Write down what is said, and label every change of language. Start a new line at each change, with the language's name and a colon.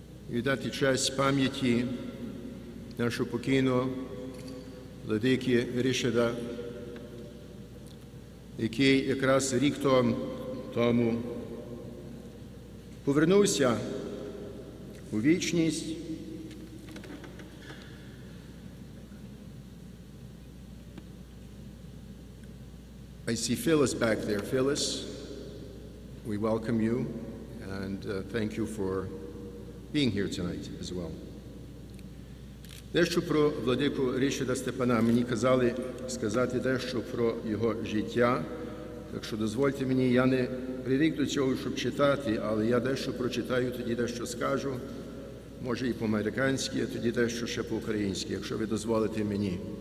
Ukrainian: і віддати честь пам'яті нашого покійного владики Рішида, який якраз рік тому повернувся у вічність.
English: I see Phyllis back there. Phyllis, we welcome you and thank you for being here tonight as well.
Ukrainian: Дещо про владику Рішида Степана. Мені казали сказати дещо про його життя. Так що дозвольте мені, я не привик до цього, щоб читати, але я дещо прочитаю, тоді дещо скажу. Може і по-американськи, а тоді дещо ще по-українськи, якщо ви дозволите мені.